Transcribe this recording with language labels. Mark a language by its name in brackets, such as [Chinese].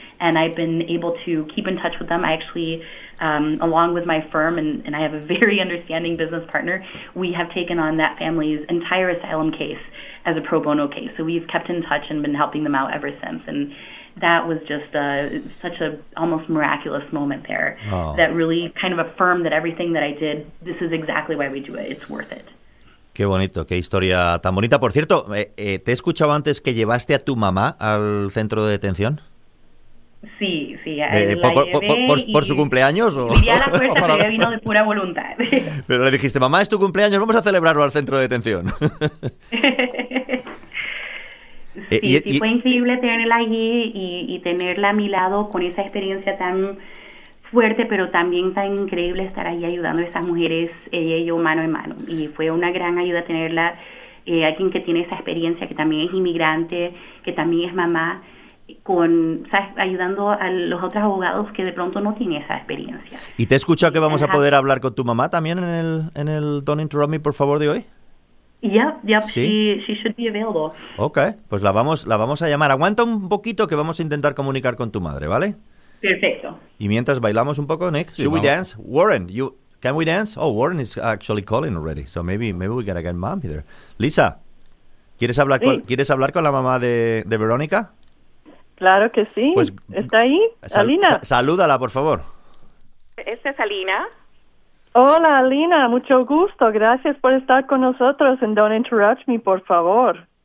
[English] And I've been able to keep in touch with them. I actually, along with my firm, and I have a very understanding business partner, we have taken on that family's entire asylum case as a pro bono case. So we've kept in touch and been helping them out ever since. And that was just such a almost miraculous moment there that really kind of affirmed that everything that I did, this is exactly why we do it. It's worth it. [Spanish] Qué bonito, qué historia tan bonita. Por cierto, te he escuchado antes que llevaste a tu mamá al centro de detención. Sí, sí. ¿Por su cumpleaños? Vivía la fuerza, pero vino de pura voluntad. Pero le dijiste, mamá, es tu cumpleaños, vamos a celebrarlo al centro de detención. Sí, fue increíble tenerla allí y tenerla a mi lado con esa experiencia tan fuerte, pero también tan increíble estar ahí ayudando a esas mujeres, ella y yo, mano en mano. Y fue una gran ayuda tenerla, alguien que tiene esa experiencia, que también es inmigrante, que también es mamá, con, ¿sabes?, ayudando a los otros abogados que de pronto no tienen esa experiencia. ¿Y te he escuchado que vamos a poder hablar con tu mamá también en el Don't Interrupt Me, por favor, de hoy? Yep. ¿Sí? [English] She should be available. [Spanish] Okay, pues la vamos a llamar. Aguanta un poquito que vamos a intentar comunicar con tu madre, ¿vale? Perfecto. Y mientras bailamos un poco, Nick, sí, [English] should we dance? [Spanish] Warren, [English] can we dance? Oh, Warren is actually calling already, so maybe we gotta get mom here. [Spanish] Lisa, ¿quieres hablar, sí, ¿quieres hablar con la mamá de Verónica? Claro que sí. Pues, ¿está ahí? Alina. Salúdala, por favor. Esta es Alina. Hola, Alina. Mucho gusto. Gracias por estar con nosotros en Don't Interrupt Me, por favor.